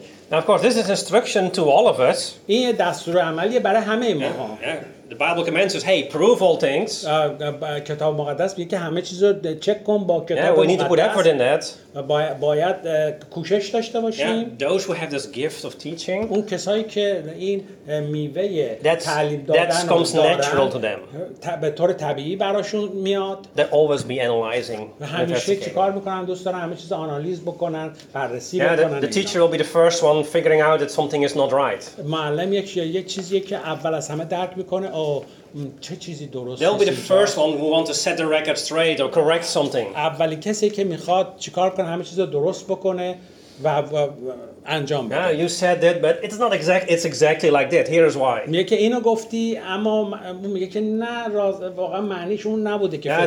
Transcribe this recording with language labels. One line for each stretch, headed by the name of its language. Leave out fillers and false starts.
English: Now of course this is instruction to all of us
Persian: این دستور عملی برای همه ما ها
English: The Bible commands us, "Hey, prove all things."
Persian: کتاب مقدس میگه که همه چیزو چک کن با کتاب مقدس.
English: Yeah, we need to put effort in that.
Persian: باید کوشش داشته باشیم.
English: Yeah, those who have this gift of teaching.
Persian: اون کسایی که این میوه تعلیم دادن دارن.
English: That comes natural to them.
Persian: به طور طبیعی براشون میاد.
English: They always be analyzing.
Persian: همیشه چیکار میکنن دوست دارن همه چیزو آنالیز بکنن، بررسی بکنن.
English: The teacher will be the first one figuring out that something is not right.
Persian: معلم یه چیزیه که اول از همه درک میکنه. چه چیزی درست
English: They'll be the first one who want to set the record straight or correct something.
Persian: اولی کسی که میخواد چیکار کنه همه چیزو درست بکنه و انجام بده.
English: You said that but it's not exact it's exactly like that. Here's why.
Persian: میگه که اینو گفتی اما میگه که نه واقعا معنیش اون نبوده که